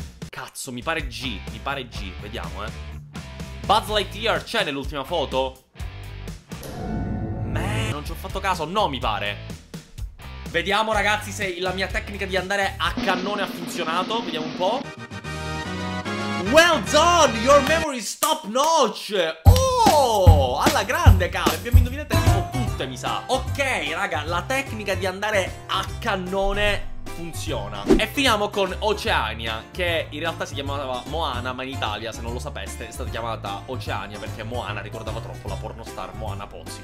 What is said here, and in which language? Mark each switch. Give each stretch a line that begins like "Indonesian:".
Italian: Cazzo, mi pare G, vediamo, Buzz Lightyear c'è nell'ultima foto? Non ci ho fatto caso, no, mi pare. Vediamo, ragazzi, se la mia tecnica di andare a cannone ha funzionato. Vediamo un po'.
English: Well done, your memory is top notch.
Italian: Oh, alla grande, cavolo. Abbiamo indovinato tipo tutte, mi sa. Ok, raga, la tecnica di andare a cannone funziona. E finiamo con Oceania, che in realtà si chiamava Moana, ma in Italia, se non lo sapeste, è stata chiamata Oceania perché Moana ricordava troppo la pornostar Moana Pozzi.